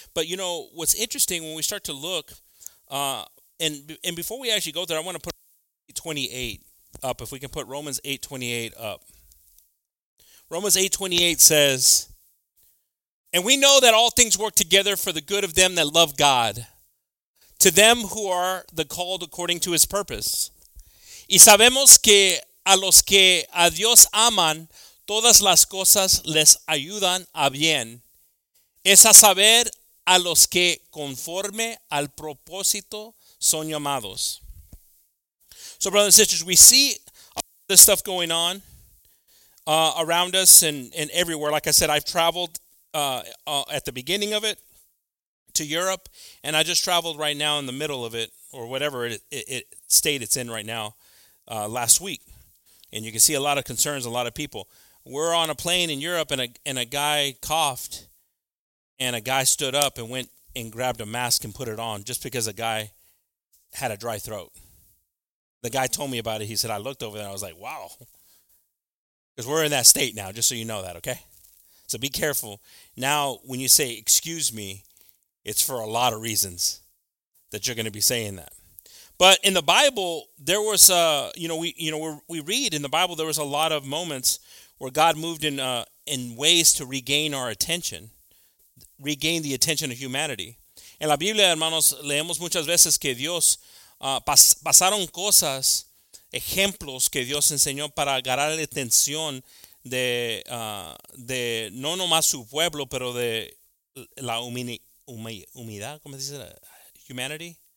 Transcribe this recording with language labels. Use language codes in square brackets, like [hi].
[en] But you know, what's interesting when we start to look, and before we actually go there, I want to put 8:28 up. If we can put Romans 8:28 up. Romans 8:28 says, and we know that all things work together for the good of them that love God, to them who are the called according to his purpose. [es] Y sabemos que a los que a Dios aman, todas las cosas les ayudan a bien. Es a saber, a los que conforme al propósito son llamados. [en] So, brothers and sisters, we see all this stuff going on around us and everywhere. Like I said, I've traveled at the beginning of it to Europe, and I just traveled right now in the middle of it, or whatever it state it's in right now, last week. And you can see a lot of concerns, a lot of people. We're on a plane in Europe, and a guy coughed, and a guy stood up and went and grabbed a mask and put it on just because a guy had a dry throat. The guy told me about it. He said, I looked over there, and I was like, wow. Because we're in that state now, just so you know that, okay? So be careful. Now, when you say, excuse me, it's for a lot of reasons that you're going to be saying that. But in the Bible, there was, we read in the Bible, there was a lot of moments where God moved in ways to regain our attention, regain the attention of humanity. [es] En la Biblia, hermanos, leemos muchas veces que Dios, pasaron cosas, ejemplos que Dios enseñó para agarrar la atención de no nomás su pueblo, pero de la humanidad, ¿cómo se dice? Humanity.